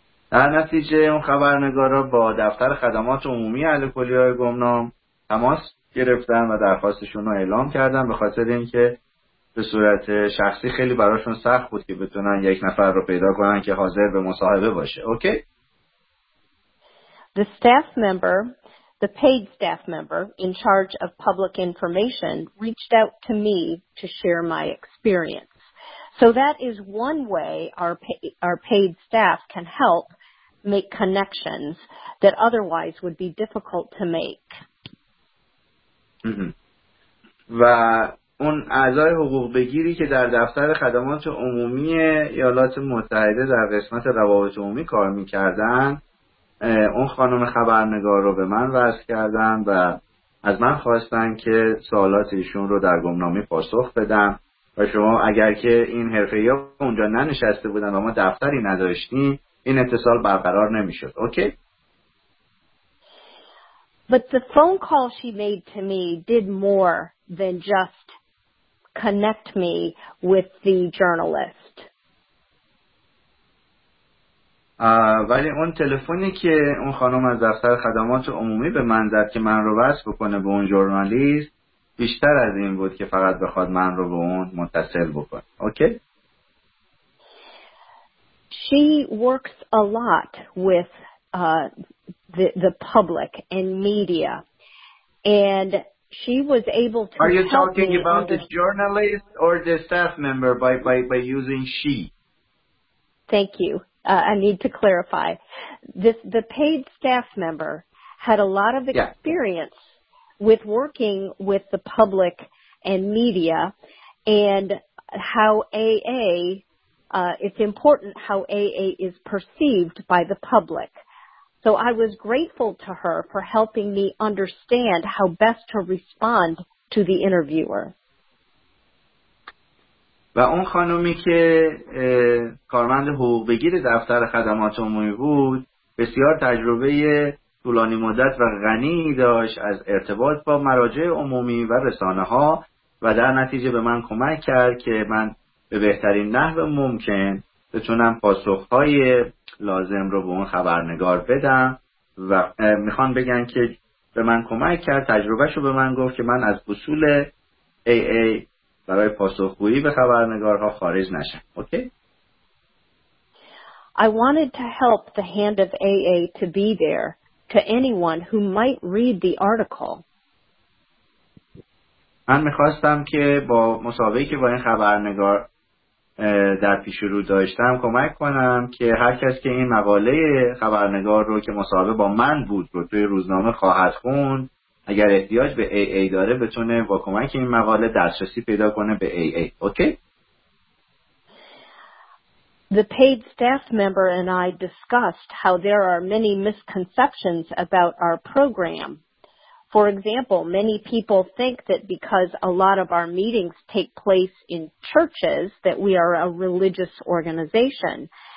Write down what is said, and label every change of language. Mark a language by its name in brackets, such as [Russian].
[Persian] در نتیجه اون خبرنگارا با دفتر خدمات عمومی اهل کلیه‌های گمنام تماس گرفتن و درخواستشون رو اعلام کردن به خاطر اینکه به صورت شخصی خیلی براشون سخت بود که بتونن یک نفر رو پیدا کنن که حاضر به مصاحبه باشه. اوکی؟ [English] The staff member, the paid staff member in charge of public information reached out to me to share my experience. So that is one way our paid staff can help make connections that otherwise would be difficult to make. [Persian] و اون اعضای حقوق بگیری که در دفتر خدمات عمومی ایالات متحده در قسمت روابط عمومی کار می‌کردن اون خانم خبرنگار رو به من وصل کردن و از من خواستن که سوالات ایشون رو در گمنامی پاسخ بدم. و شما اگر که این حرفه‌ای‌ها اونجا ننشسته بودن و ما دفتری نداشتیم این اتصال برقرار نمی‌شد. اوکی؟ [English] But the phone call she made to me did more than just connect me with the journalist. [Persian] ولی اون تلفنی که اون خانم از دفتر خدمات عمومی به من زد که من رو وصل بکنه به اون ژورنالیست بیشتر از این بود که فقط بخواد من رو به اون متصل بکنه. اوکی؟ [English] She works a lot with the public and media and she was able to Are you talking about the journalist or the staff member by using she? Thank you. I need to clarify. The paid staff member had a lot of experience with working with the public and media and how AA, it's important how AA is perceived by the public. So I was grateful to her for helping me understand how best to respond to the interviewer. [Persian] و اون خانومی که کارمند حقوق بگیر دفتر خدمات عمومی بود بسیار تجربه طولانی مدت و غنی داشت از ارتباط با مراجع عمومی و رسانه ها و در نتیجه به من کمک کرد که من به بهترین نحو ممکن بتونم پاسخ های لازم رو به اون خبرنگار بدم و میخوان بگن که به من کمک کرد تجربه شو به من گفت که من از اصول AA برای پاسخگویی به خبرنگارها خارج نشن. اوکی؟ [English] I wanted to help the hand of AA to be there to anyone who might read the article. [Persian] من می‌خواستم که با مسابقه که با این خبرنگار در پیش رو داشتم کمک کنم که هر کس که این مقاله خبرنگار رو که مسابقه با من بود رو توی روزنامه خواهد خوند اگر احتیاج به AA داره بتونه با کمک این مقاله دسترسی پیدا کنه به AA. اوکی؟ [English] The paid staff member and I discussed how there are many misconceptions about our program. For example, many people think that because a lot of our meetings take place in churches, that we are a religious organization.